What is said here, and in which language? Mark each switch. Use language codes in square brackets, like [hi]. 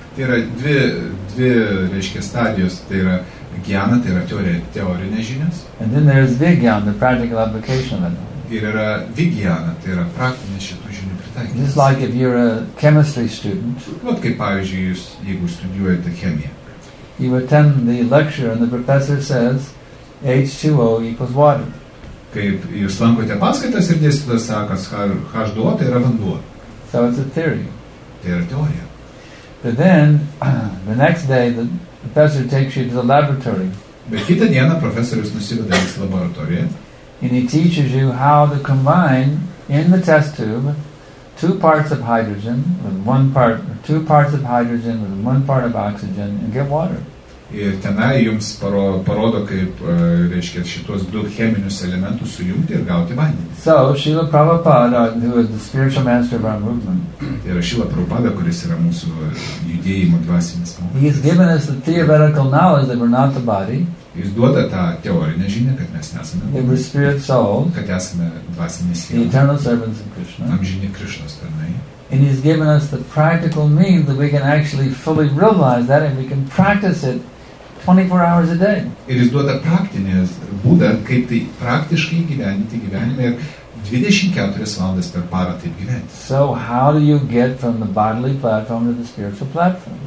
[lt] Tai yra dvi reiškia stadijos. Tai yra jnana, tai yra teorinės žinios. [en] And then there is vijnana, the practical application of it. [lt] Ir yra vijnana, tai yra praktinės šitų žinių pritaikymas. [en] Just like if you're a chemistry student. [lt] Vat kaip, pavyzdžiui, jūs, jeigu studijuojate chemiją. [en] You attend the lecture and the professor says, H2O equals water. [lt] Kaip jūs lankote paskaitas ir dėstytojas sakas, H2O tai yra vanduo. [en] So it's a theory. [lt] Tai yra teorija. [en] But then, the next day, the professor takes you to the laboratory. [lt] Bet kitą dieną profesorius nusiveda į laboratoriją. [en] And he teaches you how to combine in the test tube two parts of hydrogen with one part, or two parts of hydrogen with one part of oxygen and get water. [lt] Ir tenai jums parodo, kaip, reiškia, šitos du cheminius elementus sujungti ir gauti vandenį. [en] So, Srila Prabhupada, who is the spiritual master of our movement. [lt] Tai yra Srila Prabhupada, kuris yra mūsų judėjimo dvasinis mokytas. [en] He has given us the theoretical knowledge that we're not the body. [lt] Jis duoda tą teorinę žinią, kad mes nesame [en] that we're spirit soul. [lt] Kad esame dvasinė siela. [en] The eternal servants of Krishna. [lt] Amžini Krishnos tarnai. [en] And he's given us the practical means that we can actually fully realize that and we can practice it 24 hours a day. [lt] Ir jis duoda praktinės būdą, kaip tai praktiškai gyveninti gyvenime ir 24 valandas per parą taip gyventi. [en] So how do you get from the bodily platform to the spiritual platform?